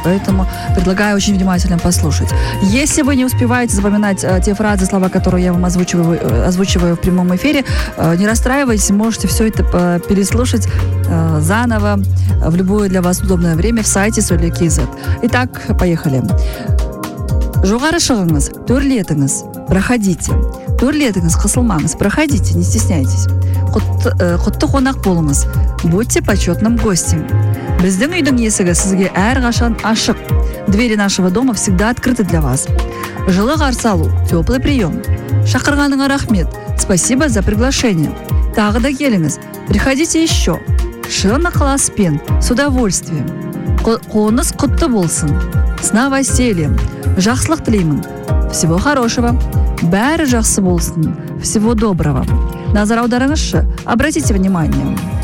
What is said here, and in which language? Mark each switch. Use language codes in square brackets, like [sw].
[ru] Поэтому предлагаю очень внимательно послушать. Если вы не успеваете запоминать те фразы, слова, которые я вам озвучиваю в прямом эфире, не расстраивайтесь, можете все это переслушать заново в любое для вас удобное время в сайте Сулья.кз. Итак, поехали. [kk] Жоғары шығыңыз, төрлетіңіз, [ru] проходите. [kk] Төрлетіңіз, қысылмаңыз, [ru] проходите, не стесняйтесь. [kk] Құтты қонақ болыңыз. [ru] Будьте почетным гостем. [kk] Біздің үйдің есігі сізге әрқашан ашық. [ru] Двери нашего дома всегда открыты для вас. [kk] Жылы қарсы алу, [ru] теплый прием. [kk] Шақырғаныңа рахмет. [ru] Спасибо за приглашение. [kk] Тағы да келіңіз. [ru] Приходите еще. [kk] Шын ықыласпен, [ru] с удовольствием. [kk] Қоныс құтты болсын. [ru] Сна василием. [kk] Жақсылық тілеймін. [ru] Всего хорошего. [kk] Бәрі жақсы болсын. [ru] Всего доброго. [kk] Назар аударыңызшы, [ru] обратите внимание.